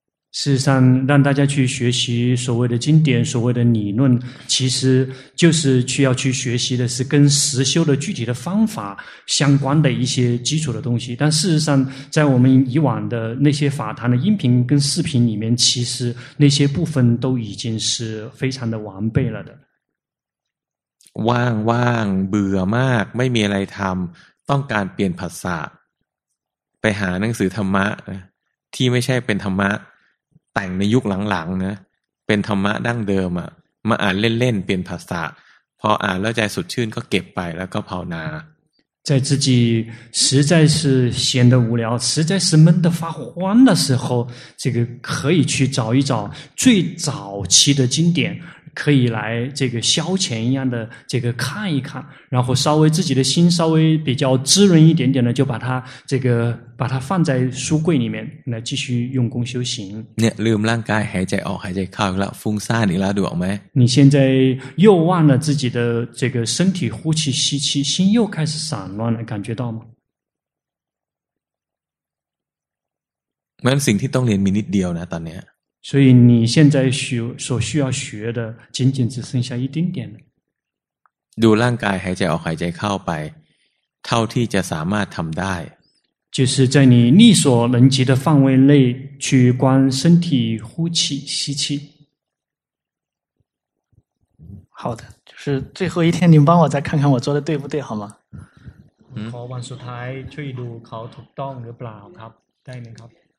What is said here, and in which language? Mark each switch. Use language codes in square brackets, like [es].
[zh] 事实上让大家去学习所谓的经典所谓的理论其实就是需要去学习的是跟实修的具体的方法相关的一些基础的东西但事实上在我们以往的那些法坛的音频跟视频里面其实那些部分都已经是非常的完备了的 [th] ว่างว่างเบื่อมากไม่มีอะไรทำต้องการเปลี่ยนภาษาไปหาหนังสือธรรมะที่ไม่ใช่เป็นธรรมะแต่งในยุคหลังๆนะเป็นธรรมะดั้งเดิมอ่ะมาอ่านเล่นๆเปลี่ยนภาษาพออ่านแล้วใจสดชื่นก็เก็บไปแล้วก็ภาวนา [zh] 在自己实在是闲得无聊实在是闷得发慌的时候这个可以去找一找最早期的经典可以来这个消遣一样的这个看一看然后稍微自己的心稍微比较滋润一点点的就把它这个把它放在书柜里面来继续用功修行你 [th] ลืมร่างกายหายใจออกหายใจเข้าแล้วฟุ้งซ่านอีกแล้วดูออกไหม [zh] 你现在又忘了自己的这个身体呼气吸气心又开始散乱了感觉到吗那 [th] สิ่งที่ต้องเรียนมีนิดเดียวนะตอนนี้ [zh] 所以你现在所需要学的仅仅只剩下一丁点 [th] ดูร่างกายหายใจออกหายใจเข้าไปเท่าที่จะสามารถทำได้ [zh] 就是在你力所能及的范围内去观身体呼气吸气好的就是最后一天你们帮我再看看我做的对不对好吗 [th] ขอวันสุดท้ายช่วยดูเขาถูกต้องหรือเปล่าครับได้ไหมครับ